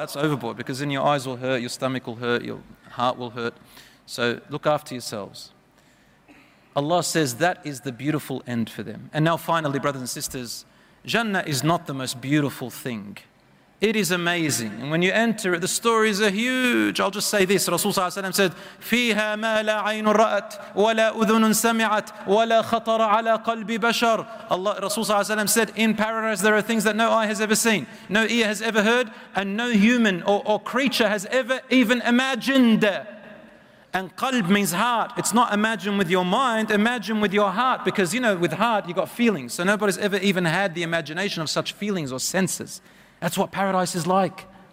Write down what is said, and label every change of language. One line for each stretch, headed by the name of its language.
English: That's overboard because then your eyes will hurt, your stomach will hurt, your heart will hurt. So look after yourselves. Allah says that is the beautiful end for them. And now finally, brothers and sisters, Jannah is not the most beautiful thing. It is amazing. And when you enter it, the stories are huge. I'll just say this.
Arabic: Rasul sallallahu alayhi wa sallam said, فِيهَا مَا لَا عَيْنُ رَأَتْ وَلَا أُذُنٌ سَمِعَتْ وَلَا خَطَرَ عَلَى قَلْبِ بَشَرٍ.
English: Allah, Rasul sallallahu alayhi wa sallam said, in paradise there are things that no eye has ever seen, no ear has ever heard, and no human or creature has ever even imagined. And qalb means heart. It's not imagine with your mind, imagine with your heart. Because, you know, with heart, you got feelings. So nobody's ever even had the imagination of such feelings or senses. That's what paradise is like.